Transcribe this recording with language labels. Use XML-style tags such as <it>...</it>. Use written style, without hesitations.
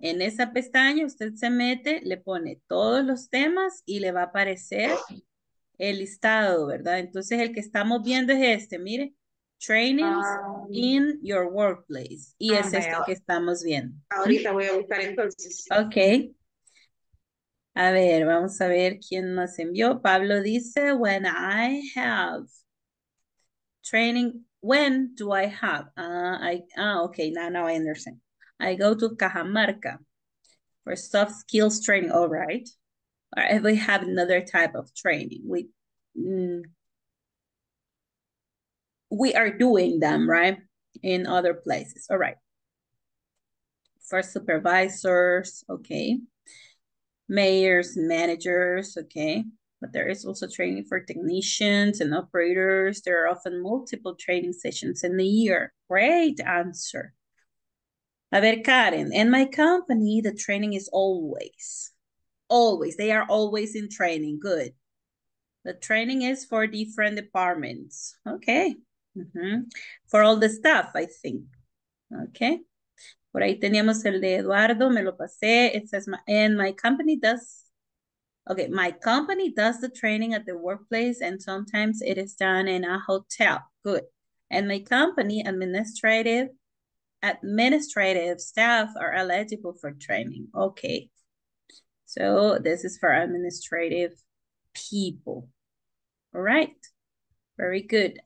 <es>En esa pestaña usted se mete, le pone todos los temas y le va a aparecer el listado, ¿verdad? Entonces el que estamos viendo es este, mire.</es> <en>Trainings in your workplace.</en> <es>Y es esto que estamos viendo. Ahorita voy a buscar entonces. Ok. A ver, vamos a ver quién nos envió.</es> <en>Pablo dice, when I have training, when do I have? Ok, now I understand. I go to Cajamarca for soft skills training. All right. All right, we have another type of training. We are doing them, right? In other places, all right. For supervisors, okay. Mayors, managers, okay. But there is also training for technicians and operators. There are often multiple training sessions in the year. Great answer.</en> <es>A ver,</es> <en>Karen, in my company, the training is always. They are always in training, good. The training is for different departments, okay. Mm-hmm. For all the staff, I think. Okay.</en> <es>Por ahí teníamos el de Eduardo, me lo pasé.</es> <en>It says, my company does the training at the workplace and sometimes it is done in a hotel. Good. And my company, administrative staff are eligible for training. Okay. So this is for administrative people. All right. Very good.</en>